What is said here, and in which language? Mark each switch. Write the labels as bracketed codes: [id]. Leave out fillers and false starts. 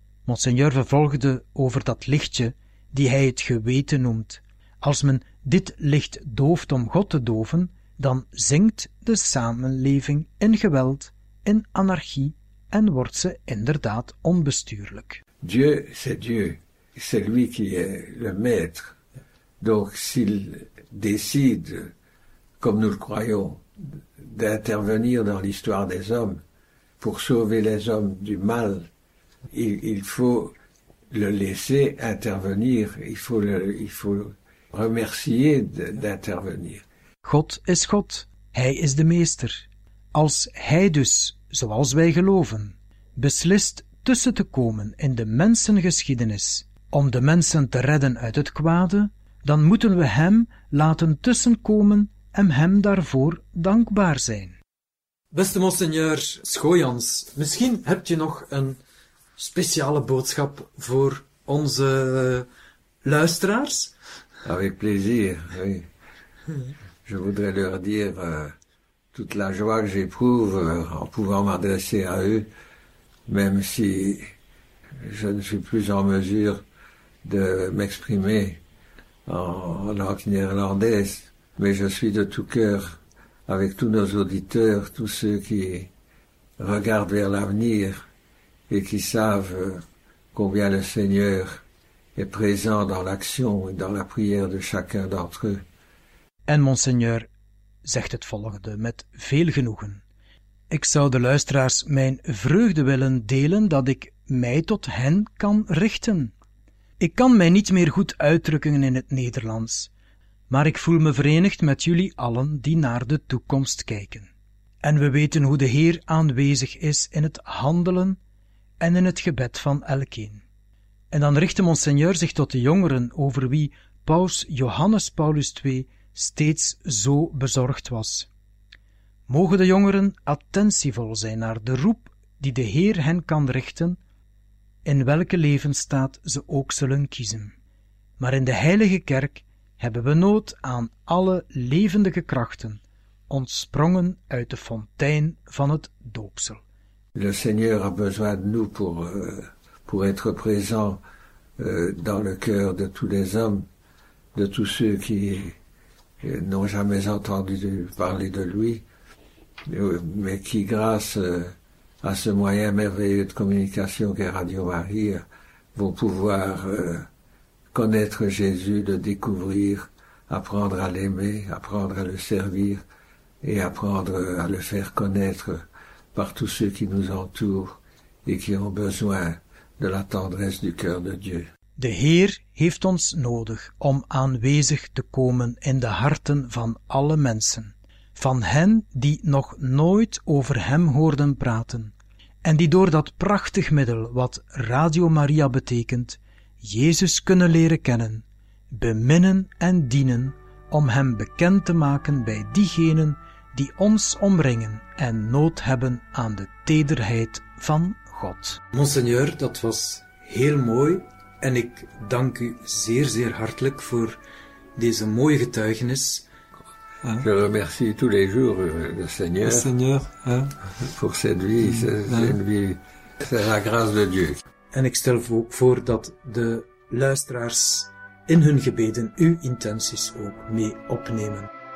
[nl] Monseigneur vervolgde over dat lichtje, die hij het geweten noemt. Als men dit licht dooft om God te doven, dan zinkt de samenleving in geweld, in anarchie, en wordt ze inderdaad onbestuurlijk. [fr] Dieu, c'est Dieu. C'est lui qui est le maître. Donc, s'il décide, comme nous le croyons, d'intervenir dans l'histoire des hommes, pour sauver les hommes du mal, il faut le laisser intervenir. Il faut, le, il faut, remercier d'intervenir. [nl] God is God. Hij is de meester. Als Hij dus, zoals wij geloven, beslist tussen te komen in de mensengeschiedenis om de mensen te redden uit het kwade, dan moeten we Hem laten tussenkomen en Hem daarvoor dankbaar zijn. Beste Monseigneur Schooyans, misschien heb je nog een speciale boodschap voor onze luisteraars? [fr] Avec plaisir, oui. Je voudrais leur dire toute la joie que j'éprouve en pouvant m'adresser à eux, même si je ne suis plus en mesure de m'exprimer en langue néerlandaise. Mais je suis de tout cœur avec tous nos auditeurs, tous ceux qui regardent vers l'avenir et qui savent combien le Seigneur est présent dans l'action et dans la prière de chacun d'entre eux. [nl] En Monseigneur zegt het volgende met veel genoegen. Ik zou de luisteraars mijn vreugde willen delen dat ik mij tot hen kan richten. Ik kan mij niet meer goed uitdrukken in het Nederlands, maar ik voel me verenigd met jullie allen die naar de toekomst kijken. En we weten hoe de Heer aanwezig is in het handelen en in het gebed van elkeen. En dan richtte Monseigneur zich tot de jongeren over wie paus Johannes Paulus II steeds zo bezorgd was. Mogen de jongeren attentievol zijn naar de roep die de Heer hen kan richten, in welke levensstaat ze ook zullen kiezen. Maar in de Heilige Kerk hebben we nood aan alle levendige krachten, ontsprongen uit de fontein van het doopsel. [fr] Le Seigneur a besoin de nous pour être présent dans le cœur de tous les hommes, de tous ceux qui n'ont jamais entendu parler de lui, mais qui, grâce à ce moyen merveilleux de communication qu'est Radio Maria, vont pouvoir connaître Jésus, le découvrir, apprendre à l'aimer, apprendre à le servir et apprendre à le faire connaître par tous ceux qui nous entourent et qui ont besoin de la tendresse du cœur de Dieu. [nl] De Heer heeft ons nodig om aanwezig te komen in de harten van alle mensen, van hen die nog nooit over Hem hoorden praten en die door dat prachtig middel wat Radio Maria betekent, Jezus kunnen leren kennen, beminnen en dienen om Hem bekend te maken bij diegenen die ons omringen en nood hebben aan de tederheid van God. Monseigneur, dat was heel mooi. En ik dank u zeer, zeer hartelijk voor deze mooie getuigenis. [fr] Je remercie tous les jours le Seigneur. Le Seigneur, hein? Pour cette vie, une vie, c'est la grâce de Dieu. [nl] En ik stel ook voor dat de luisteraars in hun gebeden uw intenties ook mee opnemen.